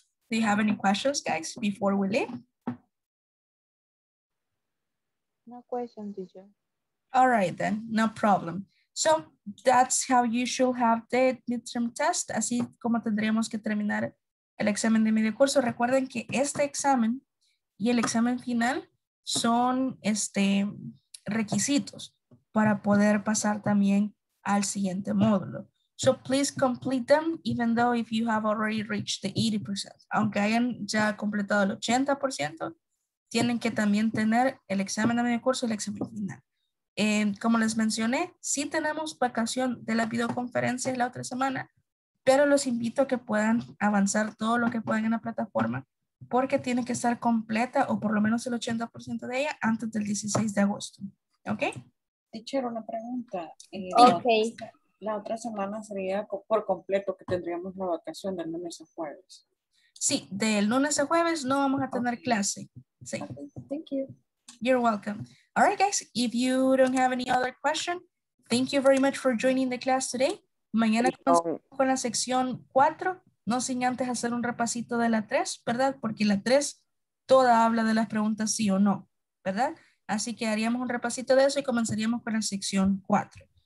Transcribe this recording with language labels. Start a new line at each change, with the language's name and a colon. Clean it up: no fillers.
English: Do you have any questions, guys, before we leave? No question, teacher. All right, then, no problem. So that's how you should have the midterm test.
Spanish: Así como tendríamos que terminar el examen de medio curso. Recuerden que este examen y el examen final son requisitos para poder pasar también al siguiente módulo.
English: So please complete them, even though if you have already reached the 80%.
Spanish: Aunque hayan ya completado el 80%, tienen que también tener el examen de medio curso y el examen final. Como les mencioné, sí tenemos vacación de la videoconferencia la otra semana, pero los invito a que puedan avanzar todo lo que puedan en la plataforma, porque tiene que estar completa o por lo menos el 80% de ella antes del 16 de agosto. ¿Ok? Teacher, una pregunta. Ok. La otra semana sería por completo que tendríamos la vacación del lunes a jueves. Sí, del lunes a jueves no vamos a tener clase. Sí.
English: Okay, thank you. You're welcome. All right, guys, if you don't have any other question, thank you very much for joining the class today.
Spanish: Mañana comenzamos con la sección 4, no sin antes hacer un repasito de la 3, ¿verdad? Porque la 3 toda habla de las preguntas sí o no, ¿verdad? Así que haríamos un repasito de eso y comenzaríamos con la sección 4.